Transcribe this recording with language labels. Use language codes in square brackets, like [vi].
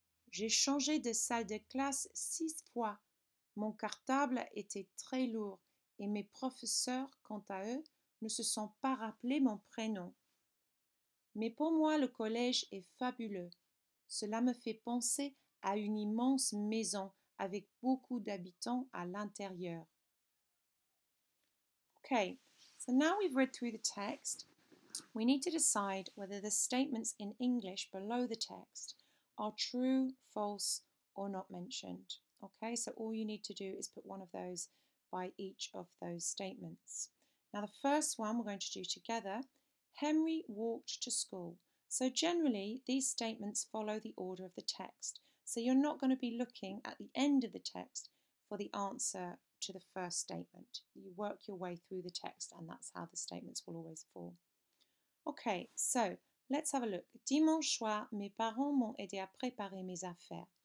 [fr] J'ai changé de salle de classe 6 fois. Mon cartable était très lourd et mes professeurs, quant à eux, ne se sont pas rappelés mon prénom. Mais pour moi, le collège est fabuleux. Cela me fait penser à une immense maison avec beaucoup d'habitants à l'intérieur. [en] Okay, so now we've read through the text. We need to decide whether the statements in English below the text are true, false, or not mentioned. Okay, so all you need to do is put one of those by each of those statements. Now, the first one we're going to do together, Henry walked to school. So generally, these statements follow the order of the text. So you're not going to be looking at the end of the text for the answer to the first statement. You work your way through the text and that's how the statements will always fall. Okay, so let's have a look. [fr] Dimanche soir, mes parents m'ont aidé à préparer mes affaires.